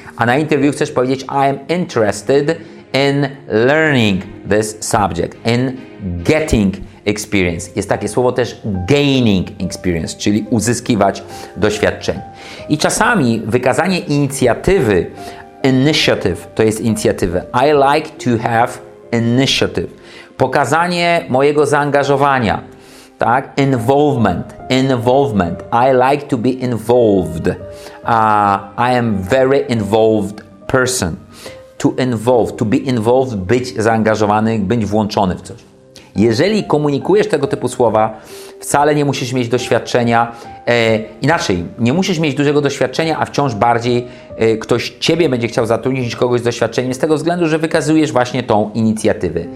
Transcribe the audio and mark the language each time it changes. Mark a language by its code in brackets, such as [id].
[pl] A na interview chcesz powiedzieć [en] I am interested in learning this subject, in getting experience. [pl] Jest takie słowo też [en] gaining experience, [pl] czyli uzyskiwać doświadczenie. I czasami wykazanie inicjatywy, initiative, to jest inicjatywa. [en] I like to have initiative. [pl] Pokazanie mojego zaangażowania. [en] Tak? Involvement. I like to be involved. I am very involved person. To involve, to be involved, [pl] być zaangażowany, być włączony w coś. Jeżeli komunikujesz tego typu słowa, wcale nie musisz mieć doświadczenia, inaczej, nie musisz mieć dużego doświadczenia, a wciąż bardziej ktoś Ciebie będzie chciał zatrudnić niż kogoś z doświadczeniem z tego względu, że wykazujesz właśnie tą inicjatywę.